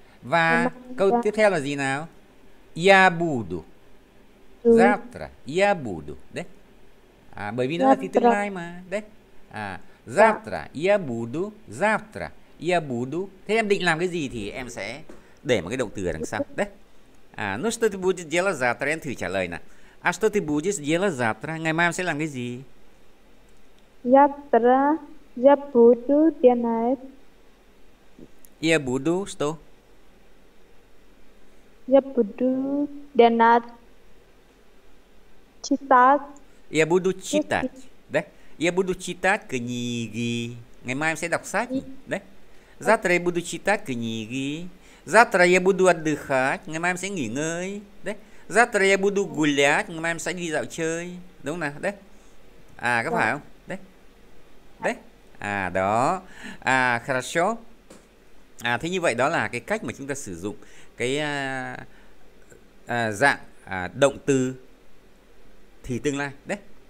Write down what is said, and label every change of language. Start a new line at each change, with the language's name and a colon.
Vietnamese: Và câu tiếp theo là gì nào?
Russian: Я буду. Завтра. Я буду.
Vietnamese: Đấy. À, bởi vì nó là thì tương lai mà.
Russian: Đấy. À, завтра. Я буду. Завтра. Я буду.
Vietnamese: Thế em định làm cái gì thì em sẽ để một cái động từ ở đằng sau. Đấy.
Russian: À, ну что ты будешь делать завтра?
Vietnamese: Em thử trả lời nè.
Russian: А что ты будешь делать завтра?
Vietnamese: Ngày mai em sẽ làm cái gì?
Russian: Завтра я буду делать. Я буду что? Я буду делать читать. Я буду читать. Đấy. Я буду читать книги.
Vietnamese: Ngày mai em sẽ đọc sách.
Russian: Đấy. Завтра я буду читать книги. Завтра я буду отдыхать.
Vietnamese: Ngày mai em sẽ nghỉ ngơi. Đấy.
Russian: Завтра я буду гулять.
Vietnamese: Ngày mai em sẽ đi dạo chơi. Đúng không nào? Đấy. À, có phải không? Đấy. Đấy. À, đó. À, хорошо. À, thế như vậy đó là cái cách mà chúng ta sử dụng cái dạng động từ thì tương lai. Đấy.